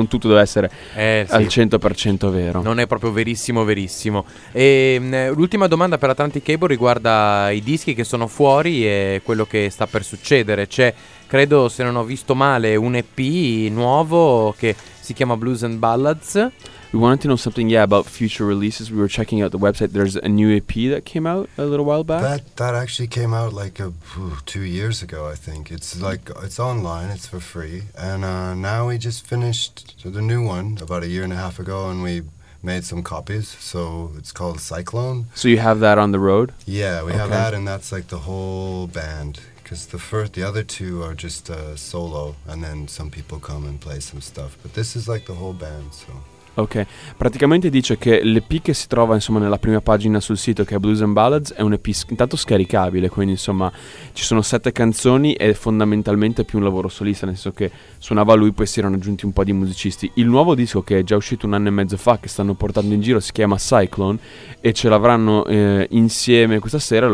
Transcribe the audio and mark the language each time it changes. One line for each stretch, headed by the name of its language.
Italian: Non tutto deve essere al 100% vero. Non è proprio verissimo. E l'ultima domanda per Atlantic Cable riguarda i dischi che sono fuori e quello che sta per succedere. C'è, credo, se non ho visto male, un EP nuovo che si chiama Blues and Ballads.
English: We wanted to know something, about future releases. We were checking out the website. There's a new EP that came out a little while back. That actually came out like two years ago, I think. It's online, it's for free. And now we just finished the new one about a year and a half ago, and we made some copies, so it's called Cyclone. So you have that on the road? Yeah, we have that, and that's like the whole band. Because the other two are just solo, and then some people come and play some stuff. But this is like the whole band, so...
Italian: Ok, praticamente dice che l'EP che si trova, insomma, nella prima pagina sul sito, che è Blues and Ballads, è un EP intanto scaricabile, quindi insomma ci sono 7 canzoni e fondamentalmente è più un lavoro solista, nel senso che suonava lui, poi si erano aggiunti un po' di musicisti. Il nuovo disco, che è già uscito un anno e mezzo fa, che stanno portando in giro, si chiama Cyclone, e ce l'avranno insieme questa sera.